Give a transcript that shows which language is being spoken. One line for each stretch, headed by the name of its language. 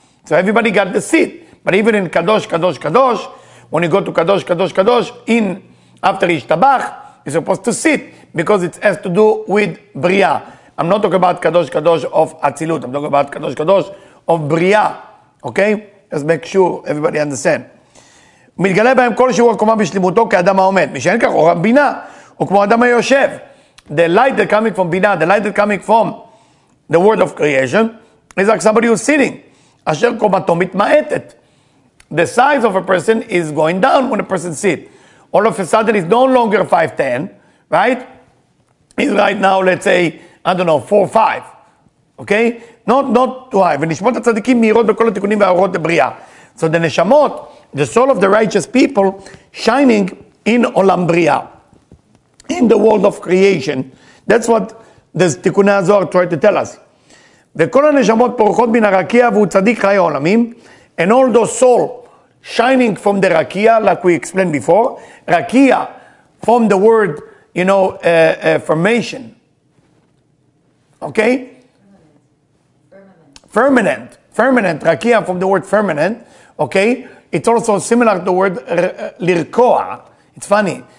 English: So everybody got the seat. But even in Kadosh, Kadosh, Kadosh, when you go to Kadosh, Kadosh, Kadosh, in after Ishtabach, you're supposed to sit because it has to do with Bria. I'm not talking about Kadosh, Kadosh of Atzilut. I'm talking about Kadosh, Kadosh of Bria. Okay? Let's make sure everybody understands.
Hebrew: מתגלה בהם כל שיעור הקומה בשלימותו כאדם העומד. משאין כך, הוא רב בינה. הוא כמו אדם היושב.
English: The light that coming from Bina, the light that coming from the word of creation, is like somebody who's sitting.
Hebrew: אשר קומתו מתמעטת.
English: The size of a person is going down when a person sits. All of a sudden, he's no longer 5'10", right? He's right now, let's say, I don't know, 4'5". Okay? Not too high.
Hebrew: ונשמות הצדיקים מהירות בכל התיקונים והאורות לבריאה.
English: So the neshamot, the soul of the righteous people, shining in עולם בריאה. In the world of creation. That's what the תיקוני הזוהר tried to tell us.
Hebrew: וכל הנשמות פורחות מן הרקיע והוא צדיק חי העולמים.
English: And all those soul shining from the רקיע, like we explained before. רקיע, from the word, you know, formation. Okay? Firmament. Firmament, רקיע, from the word firmament. Okay? It's also similar to the word לרקוע. It's funny.